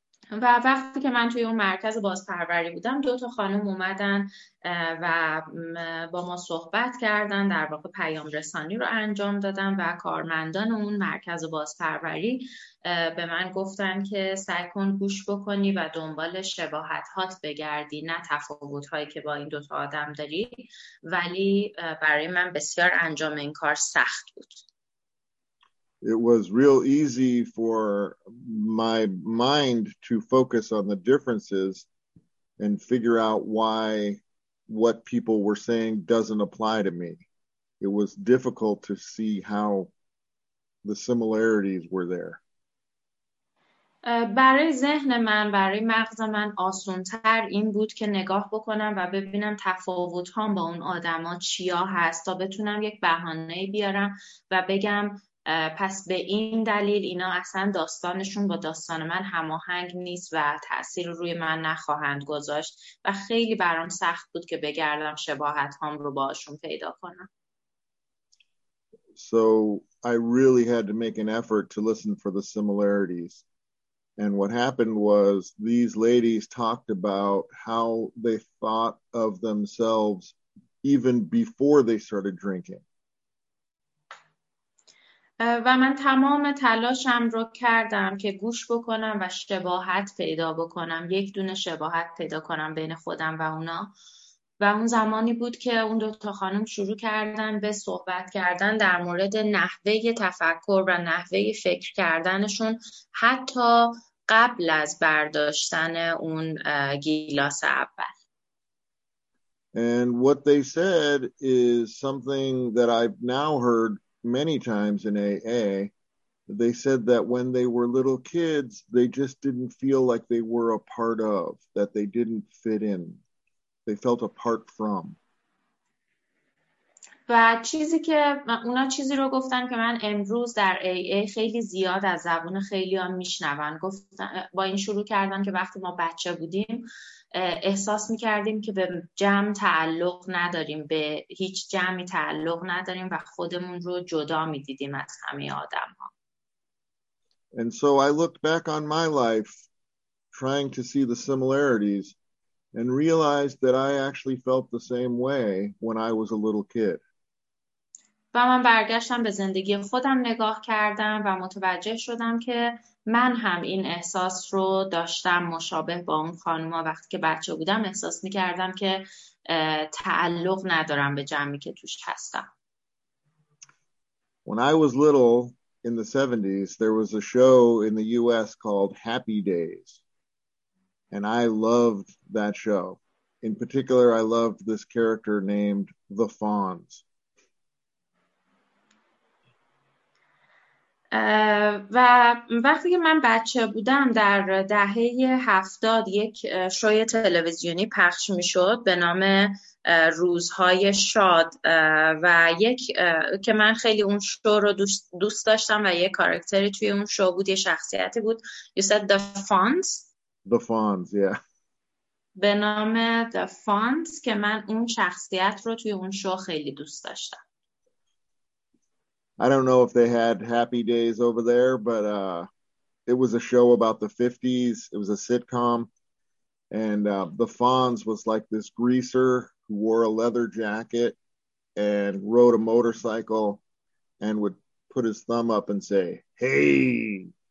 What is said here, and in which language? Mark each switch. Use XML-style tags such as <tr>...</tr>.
<fa>و وقتی که من توی اون مرکز بازپروری بودم، دو تا خانم اومدن و با ما صحبت کردن، در واقع پیام رسانی رو انجام دادن و کارمندان اون مرکز بازپروری به من گفتن که سعی کن گوش بکنی و دنبال شباهت هات بگردی، نه تفاوت هایی که با این دو تا آدم داری، ولی برای من بسیار انجام این کار سخت بود.</fa> <en>It was real easy for my mind to focus on the differences and figure out why what people were saying doesn't apply to me. It was difficult to see how the similarities were there.</en> <fa>برای ذهن من، برای مغز من آسان‌تر این بود که نگاه بکنم و ببینم تفاوت هم با اون آدما چیا هست تا بتونم یک بهانه بیارم و بگم پس به این دلیل اینا اصلا داستانشون با داستان من هماهنگ نیست و تأثیر روی من نخواهند گذاشت و خیلی برام سخت بود که بگردم شباهت هام رو باشون پیدا کنم.</fa> <en>So I really had to make an effort to listen for the similarities. And what happened was these ladies talked about how they thought of themselves even before they started drinking.</en> <fa>و من تمام تلاشم رو کردم که گوش بکنم و شباهت پیدا بکنم، یک دونه شباهت پیدا کنم بین خودم و اونا. و اون زمانی بود که اون دوتا خانم شروع کردن به صحبت کردن در مورد نحوه تفکر و نحوه فکر کردنشون حتی قبل از برداشتن اون گیلاس اول.</fa> <en>And what they said is something that I've now heard many times in AA. They said that when they were little kids, they just didn't feel like they were a part of, that they didn't fit in. They felt apart from.</en> <fa>و چیزی که اونا چیزی رو گفتن که من امروز در AA خیلی زیاد از زبون خیلی ها میشنون، گفتن با این شروع کردن که وقتی ما بچه بودیم احساس میکردیم که به جمع تعلق نداریم، به هیچ جمعی تعلق نداریم و خودمون رو جدا میدیدیم از همه آدم ها.</fa> <en>And so I looked back on my life trying to see the similarities and realized that I actually felt the same way when I was a little kid.</en> <fa>و من برگشتم به زندگی خودم نگاه کردم و متوجه شدم که من هم این احساس رو داشتم مشابه با اون خانوما وقتی که بچه بودم، احساس می‌کردم که تعلق ندارم به جمعی که توش هستم.</fa> <en>When I was little in the 70s there was a show in the US called Happy Days and I loved that show. In particular I loved this character named the Fonz.</en> <fa>و وقتی که من بچه بودم در دهه 70 یک شوی تلویزیونی پخش می شد به نام روزهای شاد و یک که من خیلی اون شو رو دوست داشتم و یک کارکتری توی اون شو بود، یه شخصیتی بود.</fa> <en>You said the Fonz. The Fonz, yeah.</en> <fa>به نام the Fonz که من اون شخصیت رو توی اون شو خیلی دوست داشتم.</fa> <en>I don't know if they had happy days over there, but it was a show about the 50s. It was a sitcom. And the Fonz was like this greaser who wore a leather jacket and rode a motorcycle and would put his thumb up and say, hey.</en>